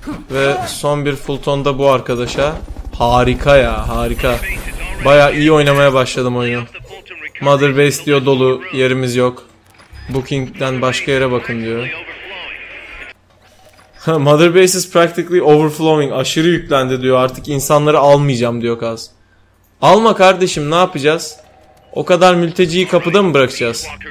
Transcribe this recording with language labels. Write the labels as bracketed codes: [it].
[tr] Ve son bir Fulton da bu arkadaşa. Harika ya, harika. Bayağı iyi oynamaya başladım oyunu. Mother Base diyor dolu, yerimiz yok. Booking'den başka yere bakın diyor. [en] Mother Base is practically overflowing. [tr] Aşırı yüklendi diyor. Artık insanları almayacağım diyor Kaz. Alma kardeşim, ne yapacağız? O kadar mülteciyi kapıda mı bırakacağız?